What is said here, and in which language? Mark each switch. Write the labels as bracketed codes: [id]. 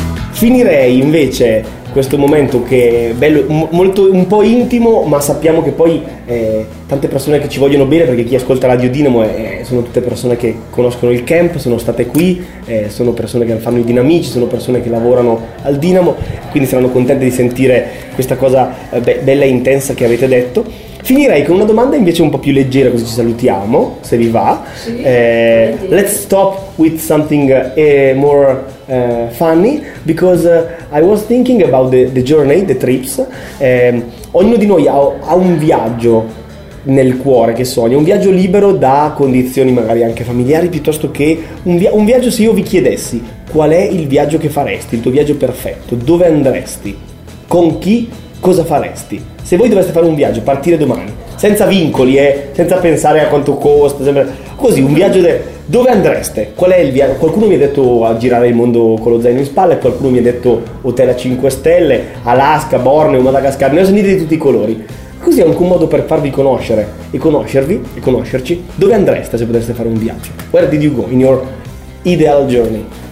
[it] Finirei invece questo momento che è bello, molto un po' intimo, ma sappiamo che poi tante persone che ci vogliono bene, perché chi ascolta Radio Dinamo sono tutte persone che conoscono il camp, sono state qui, sono persone che fanno i dinamici, sono persone che lavorano al Dinamo, quindi saranno contente di sentire questa cosa bella e intensa che avete detto. Finirei con una domanda invece un po' più leggera, così ci salutiamo, se vi va. Sì, [en] let's stop with something more funny, because I was thinking about the journey, the trips. [it] Ognuno di noi ha un viaggio nel cuore che sogna, un viaggio libero da condizioni magari anche familiari, piuttosto che un viaggio. Se io vi chiedessi qual è il viaggio che faresti, il tuo viaggio perfetto, dove andresti, con chi, cosa faresti? Se voi doveste fare un viaggio, partire domani, senza vincoli, senza pensare a quanto costa, sempre, così, un viaggio, dove andreste? Qual è il viaggio? Qualcuno mi ha detto a girare il mondo con lo zaino in spalla, qualcuno mi ha detto hotel a 5 stelle, Alaska, Borneo, Madagascar, ne ho sentite di tutti i colori. Così è anche un modo per farvi conoscere e conoscervi e conoscerci. Dove andreste se poteste fare un viaggio? [en] Where did you go in your ideal journey?